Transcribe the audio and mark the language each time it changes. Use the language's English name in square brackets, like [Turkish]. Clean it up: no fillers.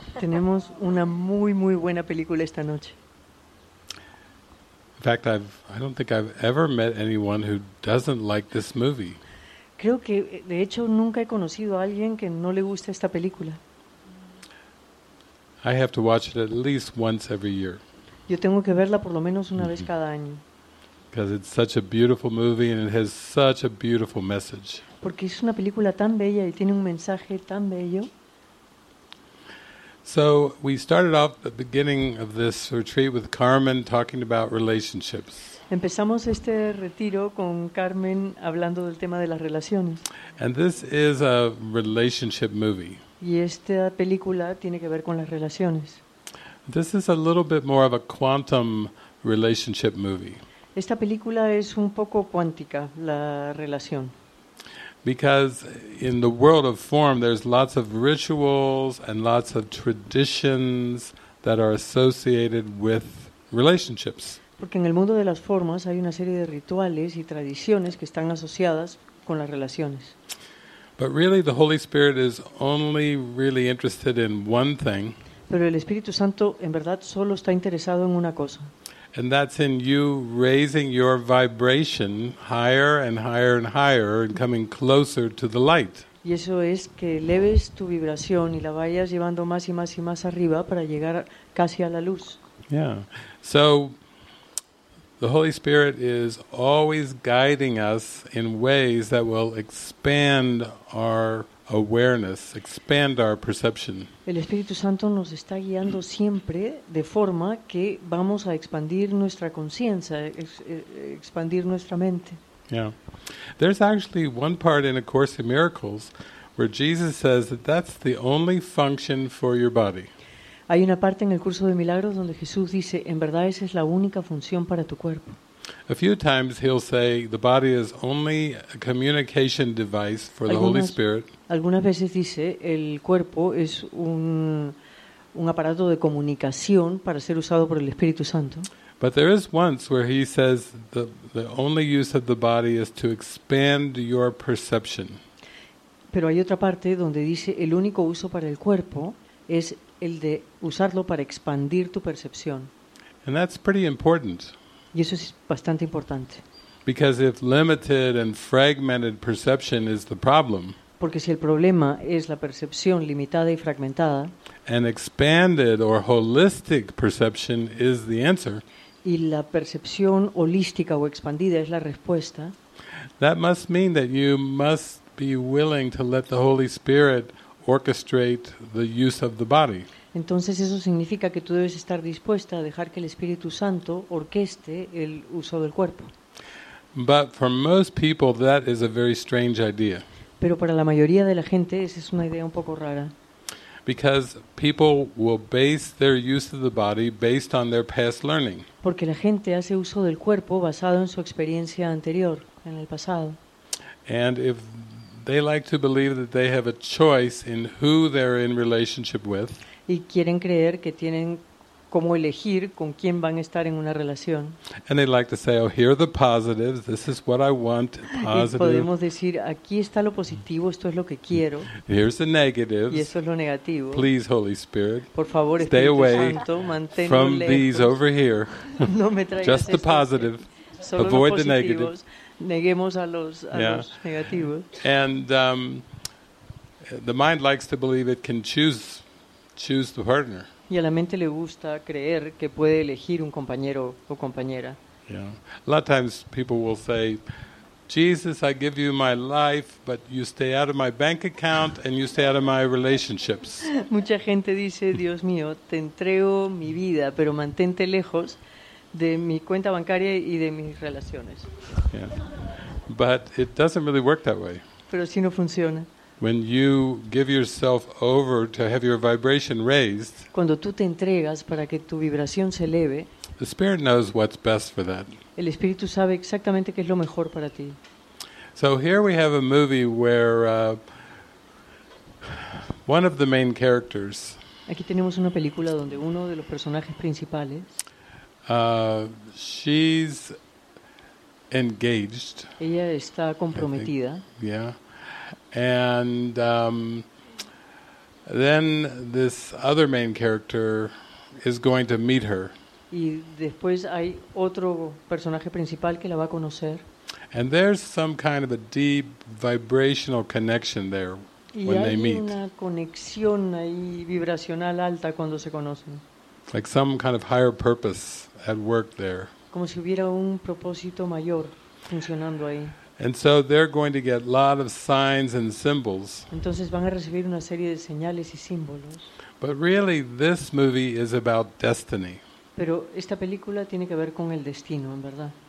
[Spanish] Tenemos una muy, muy buena película esta noche. [English] In fact, I don't think I've ever met anyone who doesn't like this movie. [Spanish] Creo que, de hecho, nunca he conocido a alguien que no le guste esta película. [English] I have to watch it at least once every year. [Spanish] Yo tengo que verla por lo menos una vez cada año. [English] Because it's such a beautiful movie and it has such a beautiful message. [Spanish] Porque es una película tan bella y tiene un mensaje tan bello. [English] So we started off the beginning of this retreat with Carmen talking about relationships. [Spanish] Empezamos este retiro con Carmen hablando del tema de las relaciones. [English] And this is a relationship movie. [Spanish] Y esta película tiene que ver con las relaciones. [English] This is a little bit more of a quantum relationship movie. [Spanish] Esta película es un poco cuántica, la relación. [English] Because in the world of form, there's lots of rituals and lots of traditions that are associated with relationships. [Spanish] Porque en el mundo de las formas hay una serie de rituales y tradiciones que están asociadas con las relaciones. [English] But really, the Holy Spirit is only really interested in one thing. [Spanish] Pero el Espíritu Santo, en verdad, solo está interesado en una cosa. [English] And that's in you raising your vibration higher and higher and higher and coming closer to the light. [Spanish] Y eso es que eleves tu vibración y la vayas llevando más y más y más arriba para llegar casi a la luz. [English] Yeah. So the Holy Spirit is always guiding us in ways that will expand our awareness, expand our perception. [Spanish] El Espíritu Santo nos está guiando siempre de forma que vamos a expandir nuestra conciencia, expandir nuestra mente. [English] Yeah. There's actually one part in A Course in Miracles where Jesus says that that's the only function for your body. [Spanish] Hay una parte en el curso de milagros donde Jesús dice, en verdad esa es la única función para tu cuerpo. [English] A few times he'll say the body is only a communication device for the Holy Spirit. [Spanish] Algunas veces dice el cuerpo es un aparato de comunicación para ser usado por el Espíritu Santo. [English] But there is once where he says the only use of the body is to expand your perception. [Spanish] Pero hay otra parte donde dice el único uso para el cuerpo es el de usarlo para expandir tu percepción. [English] And that's pretty important. [Spanish] Y eso es bastante importante. [English] Because if limited and fragmented perception is the problem. [Spanish] Porque si el problema es la percepción limitada y fragmentada. [English] An expanded or holistic perception is the answer. [Spanish] Y la percepción holística o expandida es la respuesta. [English] That must mean that you must be willing to let the Holy Spirit orchestrate the use of the body. [Spanish] Entonces eso significa que tú debes estar dispuesta a dejar que el Espíritu Santo orqueste el uso del cuerpo. [English] But for most people, that is a very strange idea. [Spanish] Pero para la mayoría de la gente esa es una idea un poco rara. [English] Because people will base their use of the body based on their past learning. [Spanish] Porque la gente hace uso del cuerpo basado en su experiencia anterior, en el pasado. [English] And if they like to believe that they have a choice in who they're in relationship with. [Spanish] Y quieren creer que tienen cómo elegir con quién van a estar en una relación. [English] And they like to say, oh, here are the positives. This is what I want. Positive. [Spanish] Y podemos decir, aquí está lo positivo. Esto es lo que quiero. [English] Here's the negatives. [Spanish] Y eso es lo negativo. [English] Please, Holy Spirit. [Spanish] Por favor, Espíritu Santo, manténlo [English] from [Spanish] lejos. [English] These over here. [Spanish] No me traigas [English] just the positive. [Spanish] Solo [English] avoid [Spanish] los positivos. Neguemos a los negativos. [English] And the mind likes to believe it can choose the partner. [Spanish] Y a la mente le gusta creer que puede elegir un compañero o compañera. [English] Yeah. A lot of times people will say, Jesus, I give you my life, but you stay out of my bank account and you stay out of my relationships. [Spanish] Mucha gente dice, Dios mío, te entrego mi vida, pero mantente lejos de mi cuenta bancaria y de mis relaciones. [English] Yeah. But it doesn't really work that way. [Spanish] Pero así no funciona. [English] When you give yourself over to have your vibration raised, [Spanish] cuando tú te entregas para que tu vibración se eleve, [English] the Spirit knows what's best for that. [Spanish] El Espíritu sabe exactamente qué es lo mejor para ti. [English] So here we have a movie where one of the main characters. [Spanish] Aquí tenemos una película donde uno de los personajes principales. [English] She's engaged. [Spanish] Ella está comprometida. [English] Yeah. And then this other main character is going to meet her. [Spanish] Y después hay otro personaje principal que la va a conocer. [English] And there's some kind of a deep vibrational connection there when they meet. [Spanish] Y hay una conexión ahí vibracional alta cuando se conocen. [English] Like some kind of higher purpose at work there. [Spanish] Como si hubiera un propósito mayor funcionando ahí. [English] And so they're going to get a lot of signs and symbols. [Spanish] Entonces van a recibir una serie de señales y símbolos. [English] But really, this movie is about destiny. [Spanish] Pero esta película tiene que ver con el destino, en verdad.